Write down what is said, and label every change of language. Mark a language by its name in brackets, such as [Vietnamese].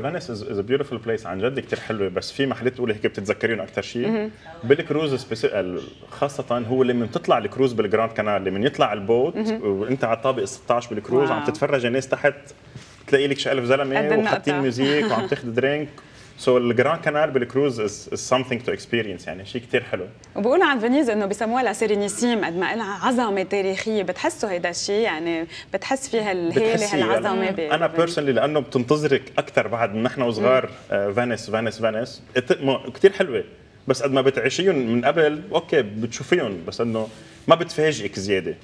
[Arabic] فينيس [English] is a beautiful place، [Arabic] عن جد كتير حلوة. بس في محلات تقولي هيك بتتذكرين أكتر شيء بالكروز سبيسيال، خاصة هو اللي من تطلع الكروز بالجراند كانال، اللي من يطلع البوت وانت على الطابق 16 بالكروز. عم تتفرج الناس تحت، تلاقي لك شقلف زلمة وحاطين ميوزيك وعم تاخد درينك. [English] So the Grand Canal by the cruise is something to experience. [Arabic] يعني شيء كتير حلو. وبقول عن فينيز إنه بسموها لا سيرينيسيم، قد ما لها عظمة تاريخية. بتحسوا هيدا الشيء؟ يعني بتحس فيها الهيلة هالعظمة؟ أنا personally لأنه بتنتظرك أكتر بعد من نحن وصغار. فينيس فينيس فينيس كتير حلوة، بس قد ما بتعيشين من قبل أوكي بتشوفين، بس إنه ما بتفاجئك زياده.